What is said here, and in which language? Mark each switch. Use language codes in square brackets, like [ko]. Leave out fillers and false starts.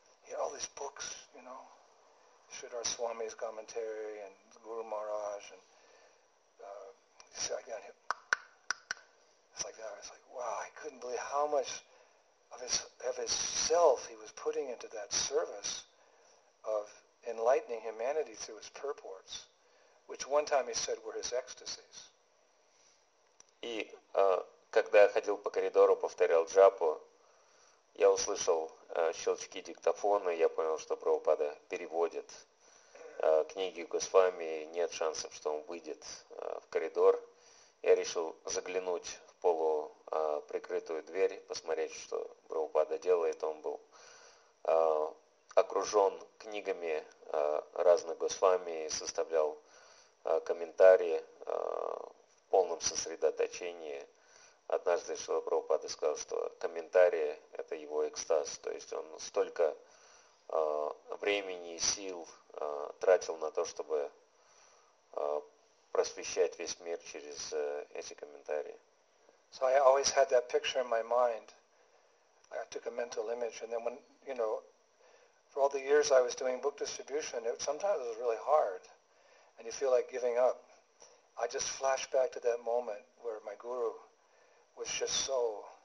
[en] Yeah, all these books, you know, Sridhar Swami's commentary and Guru Maharaj, and see, I got him. It's like that. I was like, wow, I couldn't believe how much of his self he was putting into that service of enlightening humanity through his purports, which one time he said were his ecstasies. [ru] И когда я ходил по коридору, повторял джапу, я услышал щелчки диктофона, я понял, что Прабхупада переводит книги Госвами, и нет шансов, что он выйдет в коридор. Я решил заглянуть в полуприкрытую дверь, посмотреть, что Прабхупада делает. Он был окружен книгами разных Госвами и составлял комментарии в полном сосредоточении. Однажды Шрила Прабхупада сказал, что комментарии – это его экстаз. То есть он столько времени и сил тратил на то, чтобы просвещать весь мир через эти комментарии. [en] So I always had that picture in my mind. I took a mental image. And then when, you know, For all the years I was doing book distribution, sometimes it was really hard, and you feel like giving up. I just flash back to that moment where my guru was just so